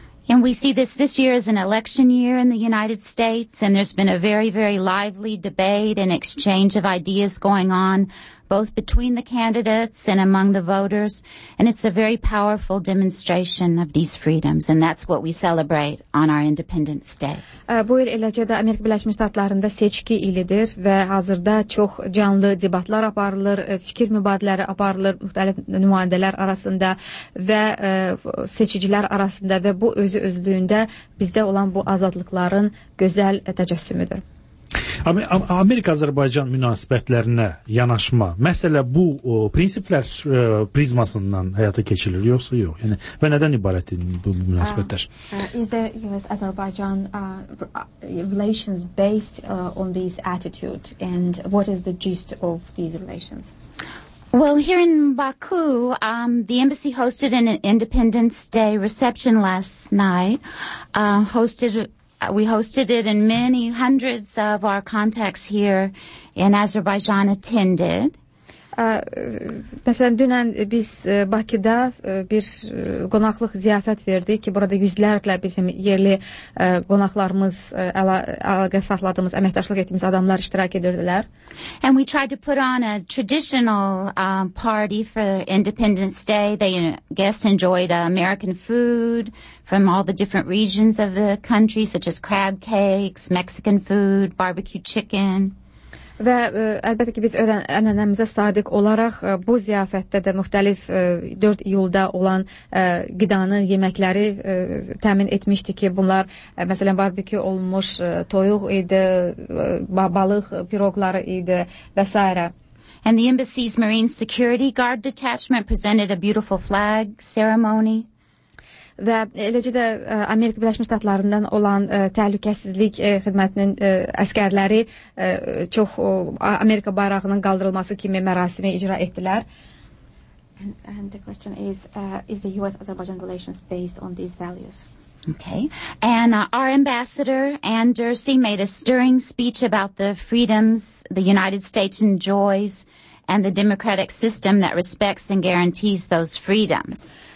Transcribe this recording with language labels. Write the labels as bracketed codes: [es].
[en] And we see this year is an election year in the United States, and there's been a very, very lively debate and exchange of ideas going on both between the candidates and among the voters. And it's a very powerful demonstration of these freedoms. And that's what we celebrate on our Independence Day. [az] Bu il eləcə də Amerika Birləşmiş Ştatlarında seçki ilidir və hazırda çox canlı debatlar aparılır, fikir mübadiləri aparılır müxtəlif nümayəndələr arasında və seçicilər arasında və bu özü özlüyündə bizdə olan bu azadlıqların gözəl təcəssümüdür. Amerika-Azərbaycan münasibətlərinə yanaşma məsələ bu prinsiplər prizmasından həyata keçirilir yoxsa yox? Yəni və nədən ibarətdir bu münasibətlər? [en] Is the US-Azerbaijan relations based on these attitude and what is the gist of these relations? Well, here in Baku, the embassy hosted an Independence Day reception last night. We hosted it and many hundreds of our contacts here in Azerbaijan attended. [az] Məsələn, dünən biz Bakıda bir qonaqlıq ziyafət verdik ki, burada yüzlərlə bizim yerli qonaqlarımız, əlaqə saxladığımız, əməkdaşlıq etdiyimiz adamlar iştirak edirdilər. [en] And we tried to put on a traditional party for Independence Day. They, you know, guests enjoyed American food from all the different regions of the country, such as crab cakes, Mexican food, barbecue chicken. [az] Və əlbəttə ki, biz ənənəmizə sadiq olaraq bu ziyafətdə də müxtəlif 4 iyulda olan qidanın yeməkləri təmin etmişdi ki, bunlar məsələn barbekü olunmuş toyuq idi, balıq piroqları idi və s. [en] And the embassy's Marine Security Guard detachment presented a beautiful flag ceremony. [az] Və eləcə də Amerika Birləşmiş Ştatlarından olan təhlükəsizlik xidmətinin əskərləri çox Amerika bayrağının qaldırılması kimi mərasimi icra etdilər. [en] And the question is the US-Azerbaijan relations based on these values? Okay. And our ambassador, Ann Dursey, made a stirring speech about the freedoms the United States enjoys and the democratic system that respects and guarantees those freedoms.